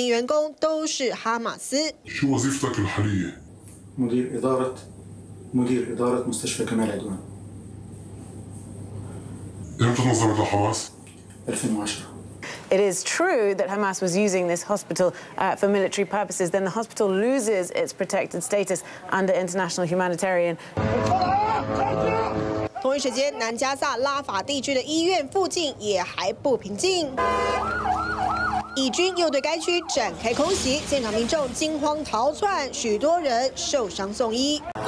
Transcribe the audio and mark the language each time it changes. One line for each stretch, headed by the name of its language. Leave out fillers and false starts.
Chinese: 也无法百分百确定领导人之一辛瓦是否还躲在其中。这是以军先前搜索北加萨阿万德医院的画面。这间医院的院长之后坦承，自己和数十名员工都是哈马斯。
English: It is true that Hamas was using this hospital for military purposes. Then the hospital loses its protected status under international humanitarian.
Chinese: 同一时间，南加萨拉法地区的医院附近也还不平静。以军又对该区展开空袭，现场民众惊慌逃窜，许多人受伤送医。